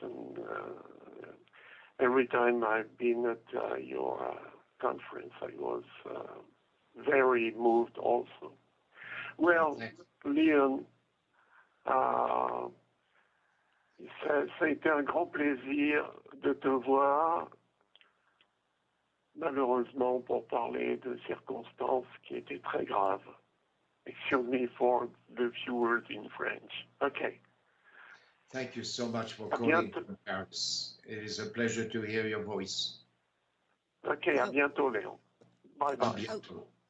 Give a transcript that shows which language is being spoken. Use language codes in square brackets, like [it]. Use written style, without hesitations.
[en] And every time I've been at your conference, I was very moved also. [fr] Well, Leon, ça a été un grand plaisir de te voir, malheureusement, pour parler de circonstances qui étaient très graves. [en] Excuse me for the few words in French. Okay. Thank you so much for calling, Paris. It is a pleasure to hear your voice. [fr] Okay, à bientôt, Leon. Bye-bye. À bientôt.